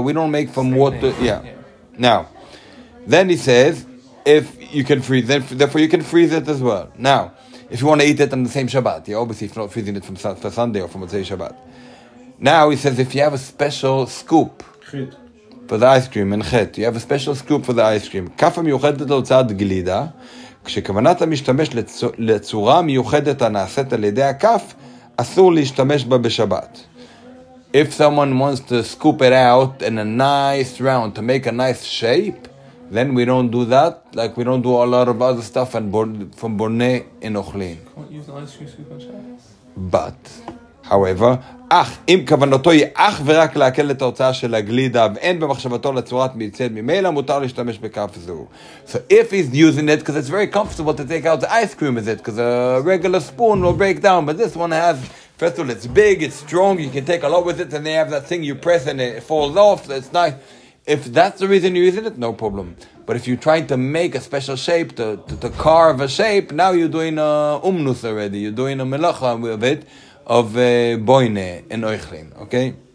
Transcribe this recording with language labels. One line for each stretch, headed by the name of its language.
English: We don't make from water. Yeah. Now, then he says, if you can freeze, then therefore you can freeze it as well. Now, if you want to eat it on the same Shabbat, yeah, obviously if not freezing it from for Sunday or from Motzei Shabbat. Now, he says, if you have a special scoop for the ice cream, in chet, you have a special scoop for the ice cream.
Hebrew: Kafa miyuchedet l'otzad glida, כשכוונת המשתמש לצורה מיוחדת הנעשית על ידי הקף, אסור להשתמש בה בשבת.
English: If someone wants to scoop it out in a nice round, to make a nice shape, then we don't do that, like we don't do a lot of other stuff from Borne in Ochlin. Can't use an ice cream scoop on Shabbos? But, however,
Hebrew: אך, אם כוונתו היא אך ורק להקל את ההוצאה של הגלידה, ואין במחשבתו לצורת מיצד, ממילא מותר להשתמש בקף זו.
English: So if he's using it, because it's very comfortable to take out the ice cream with it, because a regular spoon will break down, but this one has, first of all, it's big, it's strong, you can take a lot with it, and they have that thing you press and it falls off, so it's nice. If that's the reason you're using it, no problem. But if you're trying to make a special shape, to carve a shape, now you're doing a umnus already, you're doing a melacha with it, of boine in Oichlin, okay?